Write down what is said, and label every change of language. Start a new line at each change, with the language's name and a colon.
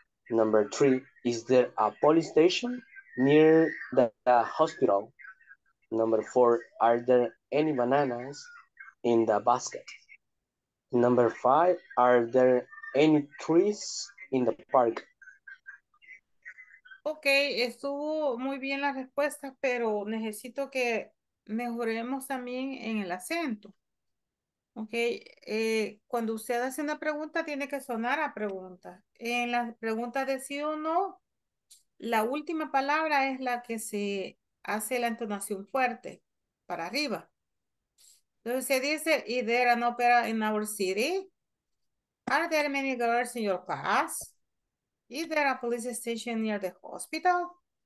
English: Number three, is there a police station near the hospital? Number four, are there any bananas in the basket? Number five, are there any trees in the park?
Spanish: Okay, estuvo muy bien la respuesta, pero necesito que mejoremos también en el acento. Okay, cuando usted hace una pregunta, tiene que sonar a pregunta. En la pregunta de sí o no, la última palabra es la que se hace la entonación fuerte, para arriba. Entonces se dice,
English: is there an opera in our city? Are there many girls in your class? Is there a police station near the hospital?